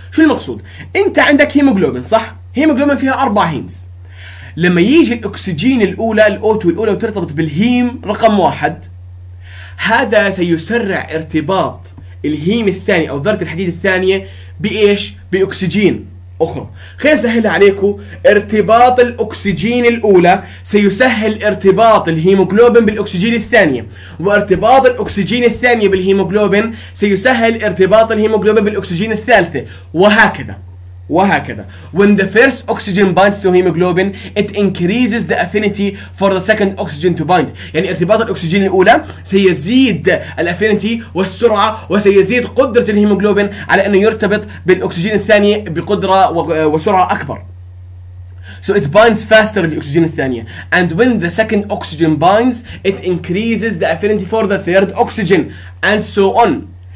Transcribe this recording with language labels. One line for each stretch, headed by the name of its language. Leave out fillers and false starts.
Arabic: شو المقصود؟ أنت عندك هيموجلوبين، صح؟ هيموجلوبين فيها أربع هيمز، لما يجي الاكسجين الاولى الاوتو الاولى وترتبط بالهيم رقم واحد، هذا سيسرع ارتباط الهيم الثاني او ذره الحديد الثانيه بايش؟ باكسجين اخرى. خلينا نسهلها عليكم، ارتباط الاكسجين الاولى سيسهل ارتباط الهيموجلوبين بالاكسجين الثانيه، وارتباط الاكسجين الثانيه بالهيموجلوبين سيسهل ارتباط الهيموجلوبين بالاكسجين الثالثه، وهكذا.
English: When the first oxygen binds to hemoglobin, it increases the affinity for the second oxygen to bind.
Arabic: يعني ارتباط الأكسجين الأولى سيزيد الأفينيتي والسرعة، وسيزيد قدرة الهيموجلوبين على أنه يرتبط بالأكسجين الثاني بقدرة وسرعة أكبر.
English: So it binds faster to the oxygen
Arabic: الثانية.
English: And when the second oxygen binds, it increases the affinity for the third oxygen. And so on.